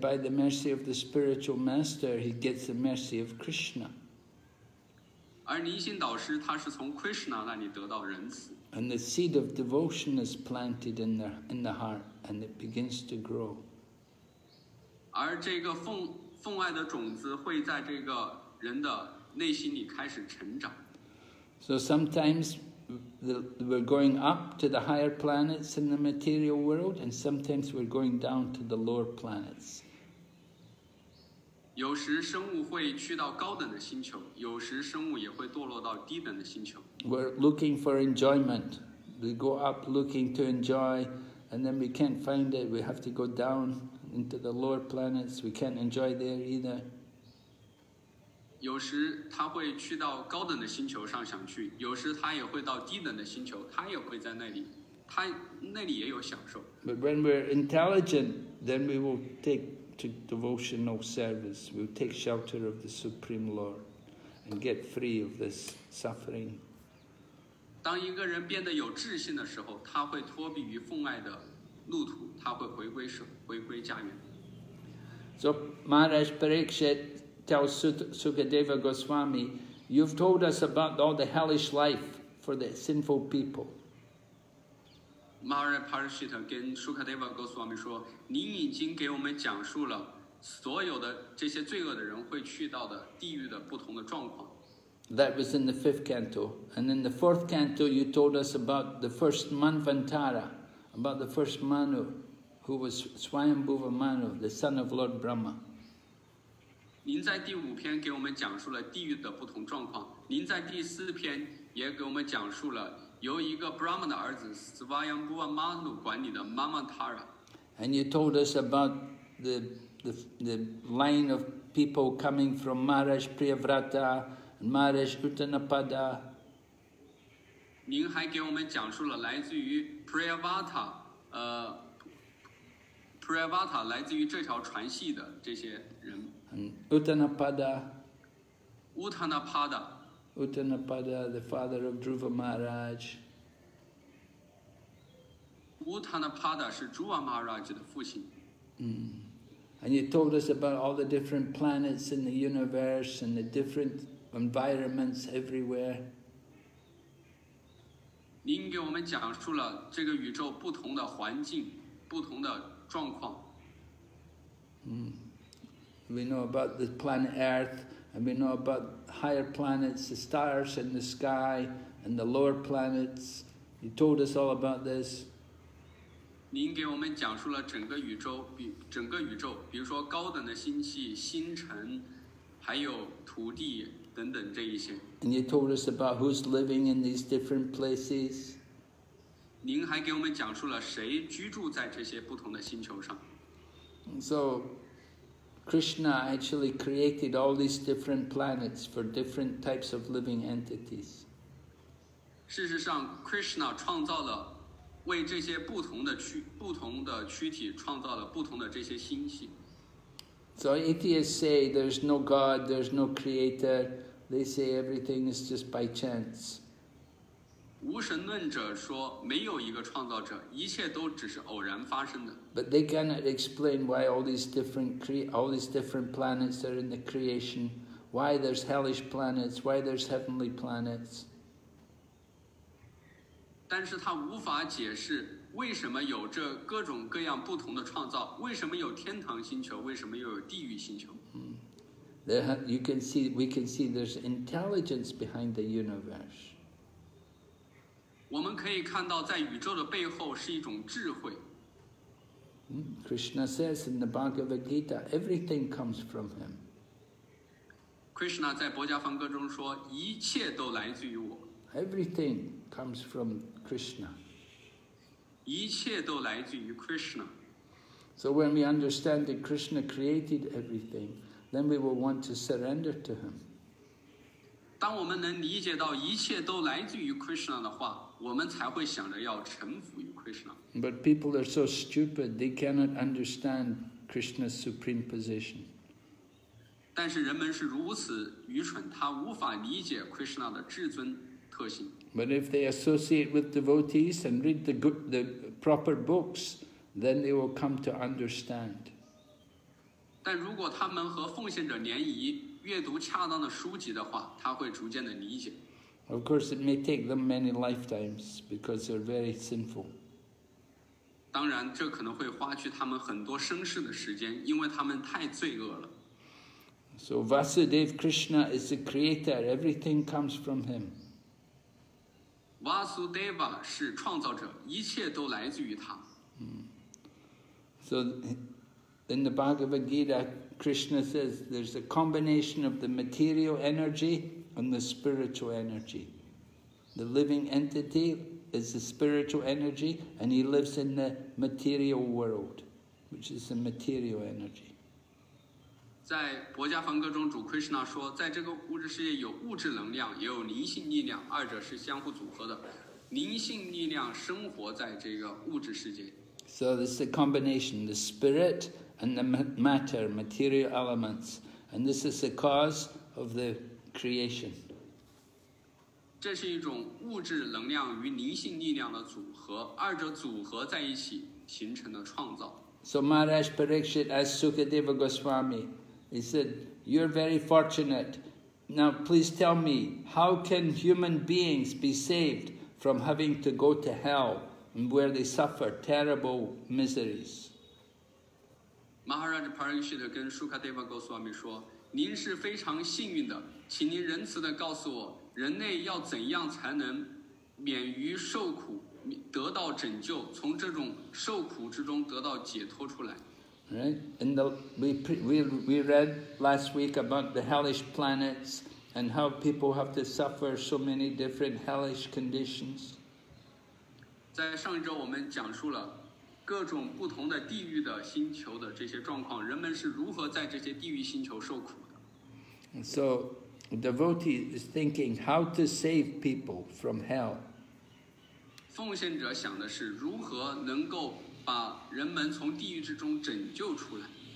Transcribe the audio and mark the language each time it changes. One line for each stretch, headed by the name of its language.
English: by the mercy of the spiritual master, he gets the mercy of Krishna.
Chinese: 而灵性导师他是从 Krishna 那里得到仁慈。
English: And the seed of devotion is planted in the heart, and it begins to grow.
Chinese: 而这个分外的种子会在这个人的内心里开始成长。
English: So sometimes we're going up to the higher planets in the material world, and sometimes we're going down to the lower planets.
Chinese: 有时生物会去到高等的星球，有时生物也会堕落到低等的星球。
English: We're looking for enjoyment. We go up looking to enjoy, and then we can't find it. We have to go down into the lower planets. We can't enjoy there either.
Chinese: 有时他会去到高等的星球上想去，有时他也会到低等的星球，他也会在那里，他那里也有享受。
English: But when we're intelligent, then we will take to devotional service. We'll take shelter of the Supreme Lord and get free of this suffering.
Chinese: 当一个人变得有智性的时候，他会脱离于奉爱的路途，他会回归家园。
English: So Maharaj Parikshit tells Sukadeva Goswami, you've told us about all the hellish life for the sinful people.
Chinese: Maharaj Parikshit 跟 Sukadeva Goswami 说，你已经给我们讲述了所有的这些罪恶的人会去到的地狱的不同的状况。
English: That was in the fifth canto. And in the fourth canto, you told us about the first Manvantara, about the first Manu, who was Swayambhuva Manu, the son of Lord Brahma.
Chinese: 您在第五篇给我们讲述了地狱的不同状况。您在第四篇也给我们讲述了由一个 Brahma 的儿子 Swayambhuva Manu 管理的 Manvantara.
English: And you told us about the line of people coming from Maharaj Priyavrata,And Maharaj Uttanapada.
Chinese: 您还给我们讲述了来自于 Priyavata, Priyavata 来自于这条传系的这些人。
English: Uttanapada.
Chinese: Uttanapada.
English: Uttanapada, the father of Dhruva Maharaj.
Chinese: Uttanapada 是 Dhruva Maharaj 的父亲。
English: And you told us about all the different planets in the universe and the different. Environments everywhere.
Chinese: 您给我们讲述了这个宇宙不同的环境，不同的状况。
English: We know about the planet Earth, and we know about higher planets, the stars in the sky, and the lower planets. You told us all about this.
Chinese: 您给我们讲述了整个宇宙，整个宇宙，比如说高等的星系、星辰，还有土地。等等这一些。
English: And you told us about who's living in these different places.
Chinese: 您还给我们讲述了谁居住在这些不同的星球上。
English: So, Krishna actually created all these different planets for different types of living entities.
Chinese: 事实上 ，Krishna 创造了为这些不同的躯体创造了不同的这些星系。
English: So atheists say there's no God, there's no creator. They say everything is just by chance.
Chinese: 无神论者说没有一个创造者，一切都只是偶然发生的。
English: But they cannot explain why all these different planets are in the creation, why there's hellish planets, why there's heavenly planets.
Chinese: 但是他无法解释为什么有这各种各样不同的创造，为什么有天堂星球，为什么又有地狱星球。
English: We can see there's intelligence behind the universe.
Chinese: 我们可以看到在宇宙的背后是一种智慧。
English: Krishna says in the Bhagavad Gita, everything comes from him.
Chinese: Krishna 在博迦梵歌中说，一切都来自于我。
English: Everything comes from Krishna.
Chinese: 一切都来自于 Krishna.
English: So when we understand that Krishna created everything,Then we will want to surrender to him.
Chinese: 当我们能理解到一切都来自于 Krishna 的话，我们才会想着要臣服于 Krishna.
English: But people are so stupid; they cannot understand Krishna's supreme position.
Chinese: 但是人们是如此愚蠢，他无法理解 Krishna 的至尊特性。
English: But if they associate with devotees and read the proper books, then they will come to understand.
Chinese: 但如果他们和奉献者联谊，阅读恰当的书籍的话，他会逐渐的理解。
English: Of course, it may take them many lifetimes because they're very sinful.
Chinese: 当然，这可能会花去他们很多生世的时间，因为他们太罪恶了。
English: So Vasudev Krishna is the creator; everything comes from him.
Chinese: Vasudeva 是创造者，一切都来自于他。
English: So. In the Bhagavad Gita, Krishna says there's a combination of the material energy and the spiritual energy. The living entity is the spiritual energy, and he lives in the material world, which is the material energy.
Chinese: 在薄伽梵歌中，主 Krishna 说，在这个物质世界有物质能量，也有灵性力量，二者是相互组合的。灵性力量生活在这个物质世界。
English: So this is the combination, the spirit and the matter, material elements, and this is the cause of the creation.
Chinese: 这是一种物质能量与灵性力量的组合，二者组合在一起形成的创造。
English: So Maharaj Parikshit asked Sukadeva Goswami, he said, you're very fortunate. Now please tell me, how can human beings be saved from having to go to hell where they suffer terrible miseries?
Chinese: Maharaj Parikshit 跟 Sukadeva Goswami 说，您是非常幸运的，请您仁慈地告诉我，人类要怎样才能免于受苦，得到拯救，从这种受苦之中得到解脱出来。
English: Right, and we read last week about the hellish planets and how people have to suffer so many different hellish conditions.
Chinese: 在上一周我们讲述了各种不同的地狱的星球的这些状况，人们是如何在这些地狱星球受苦的。
English: So, the devotee is thinking how to save people from hell.
Chinese: 奉献者想的是如何能够把人们从地狱之中拯救出来。